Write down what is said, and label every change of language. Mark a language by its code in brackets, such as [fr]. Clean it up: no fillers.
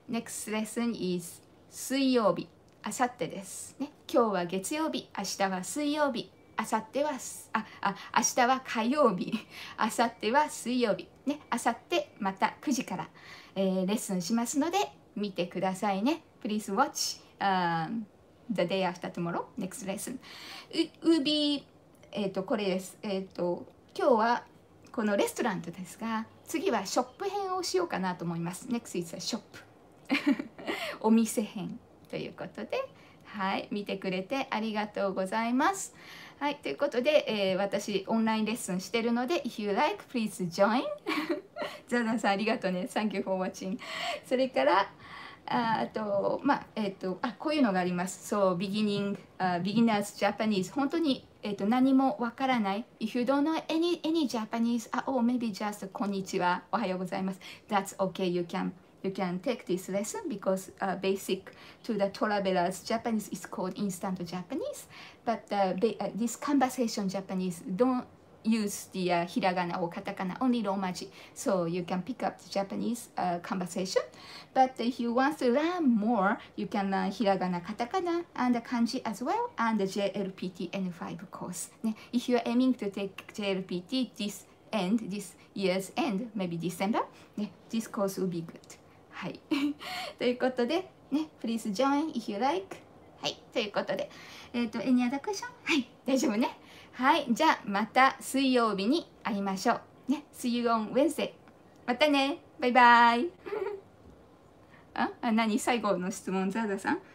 [en] Next lesson is 水曜日。 [ja] あさってです、 [en] ね。 [ja] 今日は月曜日、明日は水曜日、あさってはああ明日は火曜日、あさっては水曜日。ね、あさってまた9時から。レッスンしますので見てくださいね。 [en] Please watch the day after tomorrow, next lesson. [ja] これです。今日はこのレストランですが、次はショップ編をしようかなと思います。 [en] Next is a shop. [ja] お店編ということで、はい、見てくれてありがとうございます。はい、ということで、私オンラインレッスンしてるので、 [en] If you like, please join. [ja] ザザさん、ありがとうね。 [en] Thank you for watching. [ja] それから、こういうのがあります。 [en] So, beginning, beginner's Japanese. [ja] 本当に、何もわからない。 [en] If you don't know any Japanese at all, maybe just [ja] こんにちは、おはようございます。 [en] That's okay, you can take this lesson because basic to the travelers Japanese is called instant Japanese but this conversation Japanese don't use the hiragana or katakana only romaji so you can pick up the Japanese conversation but if you want to learn more you can learn hiragana katakana and kanji as well and the JLPT N5 course、ね、if you are aiming to take JLPT this year's end maybe December、ね、this course will be good [ja] はい、ということでね、 [en] Please join if you like。 [ja] はい、ということで、 [en] Any other question? [ja] はい、大丈夫ね。はい、じゃあまた水曜日に会いましょう。 [en] ね、See you on Wednesday。 [ja] またね、バイバイ。あ、何最後の質問、ザザさん。